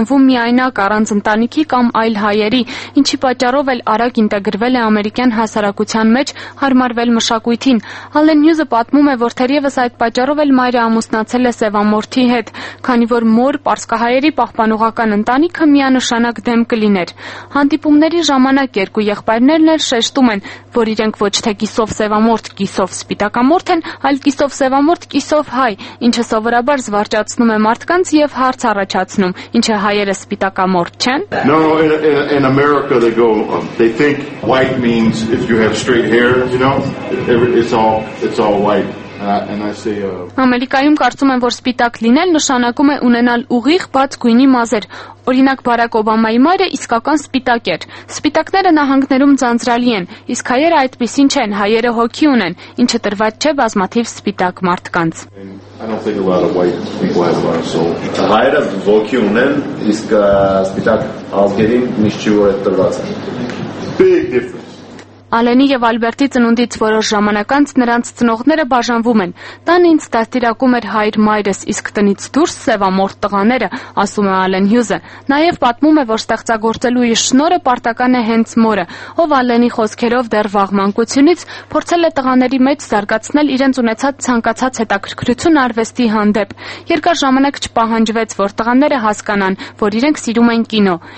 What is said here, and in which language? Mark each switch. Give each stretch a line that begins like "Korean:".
Armenian: միայնակ առանց ընտանիքի կամ այլ հայերի, ինչի պատճառով էլ արագ ինտեգրվել է ամերիկյան հասարակության մեջ, հարմարվել մշակույթին։ Ալեն Հյուզը պատմում է, որ թերևս այդ պատճառով էլ մայրը ամուսնացել է Սևամորթի հետ, քանի որ մոր պարսկահայերի պահպանողական ընտանիքը միանշանակ դեմ կլիներ։ Հանդիպումների ժամանակ երկու եղբայրներն էլ շեշտում են, որ իրենք ոչ թե կիսով Սևամորթ, կիսով Սպիտակամորթ են, այլ կիսով Սևամորթ, կիսով հայ, ինչը սովորաբար զվարճացնում է մարդկանց և հարց առաջացնում, ինչը հայերը Սպիտակամորթ չեն։
English: No, in America they go, they think white means if you have straight hair, you know, it's all white.
Armenian: Ամերիկայում կարծում են, որ սպիտակ լինել նշանակում է ունենալ ուղիղ բաց գույնի մազեր։ Օրինակ Բարակ Օբամայի մայրը իսկական սպիտակ էր։ Սպիտակները նահանգներում ձանձրալի են, իսկ հայերը այդպիսին չեն, հայերը հոգի ունեն, ինչը տրված չէ բազմաթիվ սպիտակ մարդկանց։
English: I don't think a lot of white people have a lot of soul.
Armenian: Հայերը ոգի ունեն, իսկ սպիտակ ազգերին միշտ չի որ տրված։
English: Big difference.
Armenian: Ալենի և Ալբերտի ծնունդից որոշ ժամանակից նրանց ծնողները բաժանվում են։ Տան ինձ դաստիարակում էր հայր մայրս, իսկ տնից դուրս Սևամորթ տղաները, ասում է Ալեն Հյուզը։ Նաև պատմում է, որ ստեղծագործելու իր շնորը պարտական է հենց մորը, ով Ալենի խոսքերով դեռ վաղ մանկությունից փորձել է տղաների մեջ զարգացնել իրենց ունեցած ցանկացած հետաքրքրություն արվեստի հանդեպ։ Երկար ժամանակ չպահանջվեց, որ տղաները հասկանան, որ իրենք սիրում են կինո։